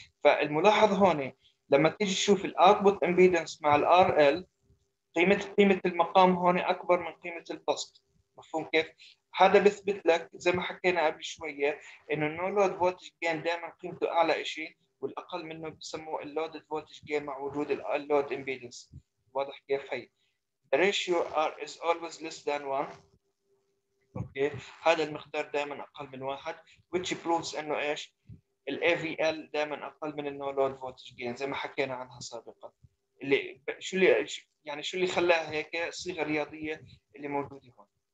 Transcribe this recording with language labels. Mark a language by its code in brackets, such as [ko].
[ar] فالملاحظ هون لما تيجي تشوف الاوتبوت امبيدنس مع الار ال، قيمة المقام هون أكبر من قيمة البسط. مفهوم كيف؟ هذا بثبت لك زي ما حكينا قبل شوية إنه النو لود فولتج جين دائما قيمته أعلى إشي، والأقل منه بسموه اللودد فولتج جين مع وجود اللود إمبيدنس. واضح كيف هي؟ [en] The ratio R is always less than one. [ar] أوكي، هذا المقدار دائما أقل من واحد، [en] which proves [ar] إنه إيش؟ الـ AVL دائما أقل من النو لود فولتج جين زي ما حكينا عنها سابقا. اللي شو اللي يعني شو اللي خلاها هيك صيغه رياضيه اللي موجوده هون.